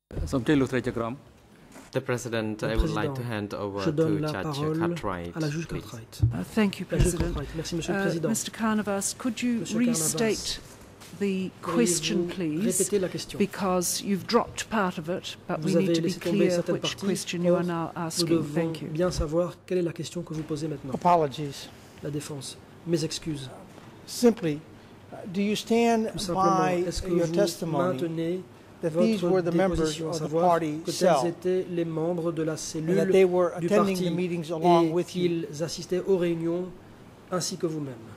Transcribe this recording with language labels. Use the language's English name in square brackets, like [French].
[English] The President, I would like to hand over to Judge Cartwright. Thank you, President. Mr. Carnavas, could you restate the question, please, because you've dropped part of it, but we need to be clear which question you are now asking. Thank you. [French] Bien savoir quelle est la question que vous posez maintenant. [English] Apologies. [French] La défense. Mes excuses. [English] Simply, do you stand by your testimony that these were the members of the party cell, and that they were attending the meetings along with you? [French] Ils assistaient aux réunions ainsi que vous-même.